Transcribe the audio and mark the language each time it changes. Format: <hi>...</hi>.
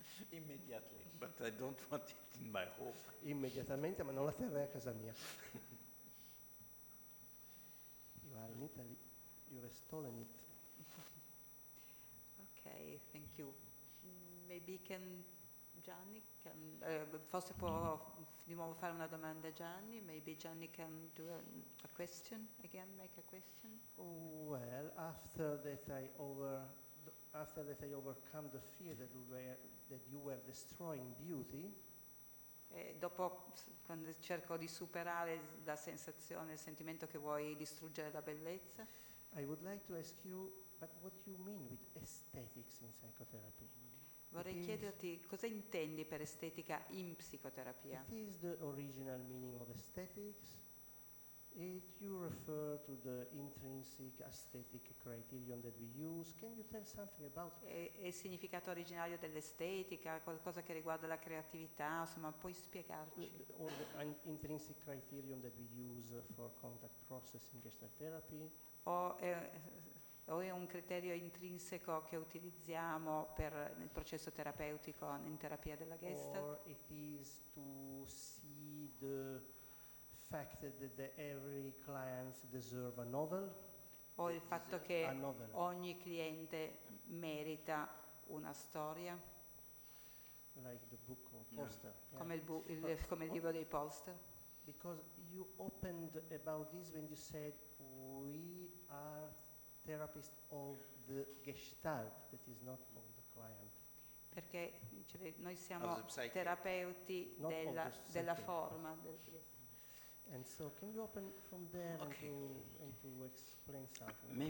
<en>Immediately, but I don't want it in my home.</en> <it>Immediatamente, ma non la terrei a casa mia.</it> <en>You are in Italy, you have stolen it. Okay, thank you. Maybe can Gianni can</en> <it>forse può di nuovo fare una domanda a Gianni.</it> <en>Maybe Gianni can do a question again, make a question. Well, after that I overcome the fear that you were destroying beauty.</en> <it>Dopo quando cerco di superare la sensazione, il sentimento che vuoi distruggere la bellezza.</it> <en>I would like to ask you, but what do you mean with aesthetics in psychotherapy?</en> <it>Vorrei chiederti cosa intendi per estetica in psicoterapia.</it> <en>It is the original meaning of aesthetics. If you refer to the intrinsic aesthetic criterion that we use, can you tell something about</en> <it>è il significato originario dell'estetica, qualcosa che riguarda la creatività, insomma, puoi spiegarci?</it> <en>Intrinsic criterion that we use for contact processing gestalt therapy.</en> <it>O è un criterio intrinseco che utilizziamo per nel processo terapeutico in terapia della gestalt?</it> <en>Or it is to see the fact that every client deserve a novel.</en> <it>O il fatto che ogni cliente merita una storia.</it> <en>like the book or poster. Yeah.</en> <it>Come il, come il libro dei poster.</it> <en>Because you opened about this when you said we are therapists of the Gestalt, that is not of the client.</en> <it>Perché cioè, noi siamo terapeuti della, della forma. Del,</it> <en>And so can you open from there and to explain something?</en>